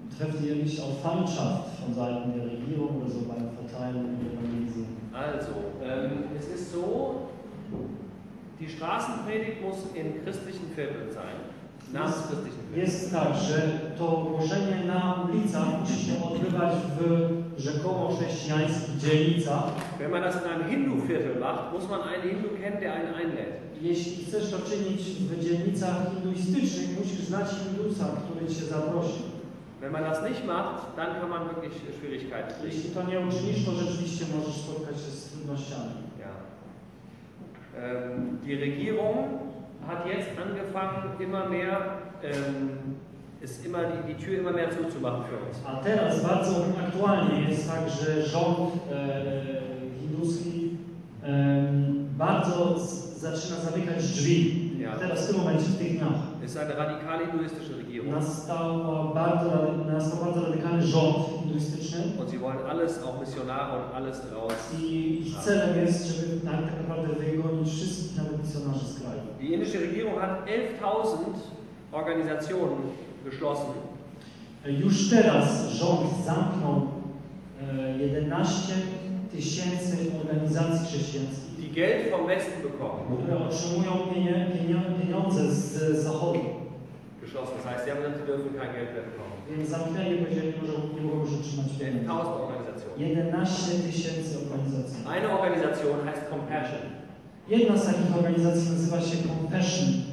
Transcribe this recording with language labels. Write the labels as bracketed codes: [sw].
[de] Trefft ihr nicht auf Feindschaft von Seiten der Regierung oder so beim Verteilen der Evangelien? Also, es ist so, die Straßenpredigt muss in christlichen Vierteln sein. Nach christlichen Vierteln. [pl] Jest tak, że to głoszenie na ulicach musi się odbywać w rzekomo chrześcijańskich dzielnicach. [de] Wenn man das in einem Hindu-Viertel macht, muss man einen Hindu kennen, der einen einlädt. [pl] Jeśli chcesz to czynić w dzielnicach hinduistycznych, musisz znać Hindusa, który cię zaprosi. [de] Wenn man das nicht macht, dann kann man wirklich Schwierigkeiten kriegen. [pl] Jeśli to nie uczynisz, to rzeczywiście możesz spotkać się z trudnościami. [de] Ja. Die Regierung hat jetzt angefangen, immer mehr ist immer die Tür immer mehr zuzumachen für uns. [pl] A teraz bardzo aktualnie jest tak, że rząd hinduski bardzo zaczyna zamykać drzwi. Ja. Teraz w tym momencie, w tych dniach. [de] Ist eine radikale hinduistische Regierung. [pl] Nastał bardzo radykalny rząd hinduistyczny. [de] Und sie wollen alles, auch Missionare und alles raus. [pl] I ich celem jest, żeby tak naprawdę wygonić wszystkich nawet misjonarzy z kraju. [de] Die indische Regierung hat 11.000 Organisationen geschlossen. [pl] Już teraz rząd zamknął 11.000 organizacji chrześcijańskich. [de] Die Geld vom Westen bekommen. [pl] Które otrzymują pieniądze z Zachodu. [de] Geschlossen, das heißt, sie dürfen kein Geld mehr bekommen. [pl] Więc zamknęli, powiedzieli, że nie mogą już otrzymać pieniędzy. 11.000 organizacji. [de] Eine Organisation heißt Compassion. [pl] Jedna z takich organizacji nazywa się Compassion.